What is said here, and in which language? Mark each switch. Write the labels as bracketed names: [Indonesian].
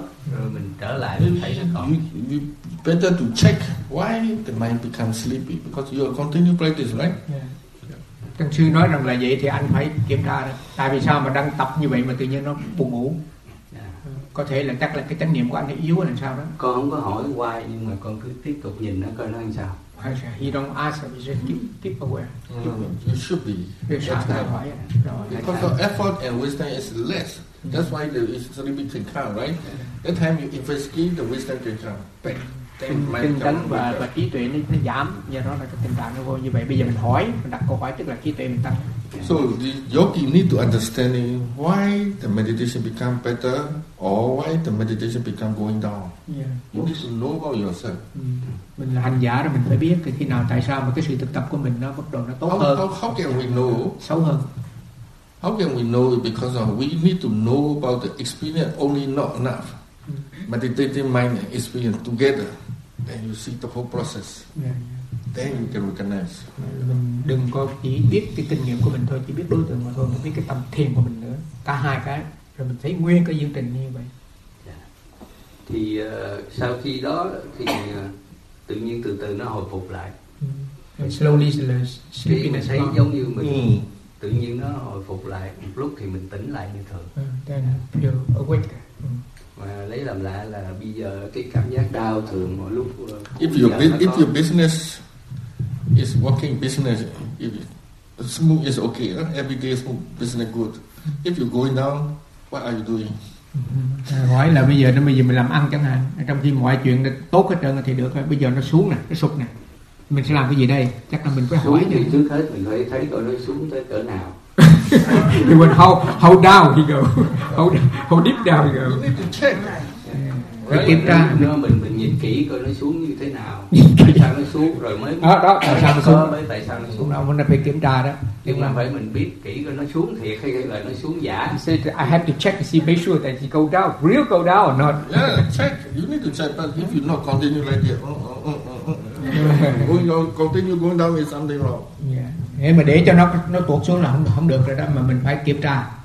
[English] You better to check why the mind becomes sleepy because you are continuing practice, right? Yeah. [Vietnamese] Thầy sư nói rằng là vậy thì anh phải kiểm tra đó. Tại vì sao mà đang tập như vậy mà tự nhiên nó buồn ngủ? Có thể là chắc là cái chánh niệm của anh yếu là sao đó. Con không có hỏi why nhưng mà con cứ tiếp tục nhìn nó coi nó làm sao. [English] He don't ask, he just keep aware. You should be. Because the effort and wisdom is less. That's why the sleepy can come, right? That time you investigate the wisdom can come. [Vietnamese] Tinh tấn và trí tuệ nó giảm, do đó là cái tình trạng nó vô như vậy. Bây giờ mình hỏi, mình đặt câu hỏi tức là trí tuệ mình tăng. [English] So the yogi need to understand why the meditation become better or why the meditation become going down. Yeah. You need to know about yourself. [Vietnamese] Mình là hành giả rồi mình phải biết khi nào tại sao mà cái sự thực tập của mình nó bắt đầu nó tốt [English] how, [Vietnamese] hơn. [English] How can we know? [Vietnamese] Xấu hơn. [English] How can we know it? Because we need to know about the experience only not enough. Meditating mind and experience together, then you see the whole process. Then you can recognize. [Vietnamese] Mình đừng có chỉ biết cái kinh nghiệm của mình thôi, chỉ biết đối tượng mà thôi, mình biết cái tâm thiền của mình nữa. Cả hai cái, rồi mình thấy nguyên cái dương trình như vậy. Thì sau khi đó thì tự nhiên từ từ nó hồi phục lại. [English] Slowly, slowly. [Vietnamese] Thì mình thấy giống như mình tự nhiên nó hồi phục lại. Một lúc thì mình tỉnh lại như thường. [English] Then feel awake. [Vietnamese] Mà lấy làm lạ là bây giờ cái cảm giác đau thường mỗi lúc. [English] If your business is working business, if smooth is okay, every day smooth business good. If you going down, what are you doing? [Vietnamese] Hỏi là bây giờ nó bây giờ mình làm ăn chẳng hạn, trong khi mọi chuyện tốt hết trơn thì được rồi. Bây giờ nó xuống nè, nó sụp nè, mình sẽ làm cái gì đây? Chắc là mình phải xuống hỏi thì trước hết mình phải thấy coi nó xuống tới cỡ nào. [English] He went how down he go, how deep down he go. [Vietnamese] Rồi kiểm tra mình nhìn kỹ coi nó xuống như thế nào. Tại sao nó xuống rồi mới đó, đó, tại sao nó xuống mới tại sao nó xuống đó, mình phải kiểm tra đó. Nhưng mà phải mình biết kỹ coi nó xuống thiệt hay là nó xuống giả. [English] Said, I have to check to see, make sure that he go down, real go down or not. Yeah, check. You need to check, but if you not continue like that, continue going down is something wrong. [Vietnamese] Yeah. Nếu mà để cho nó tuột xuống là không được rồi đó, mà mình phải kiểm tra.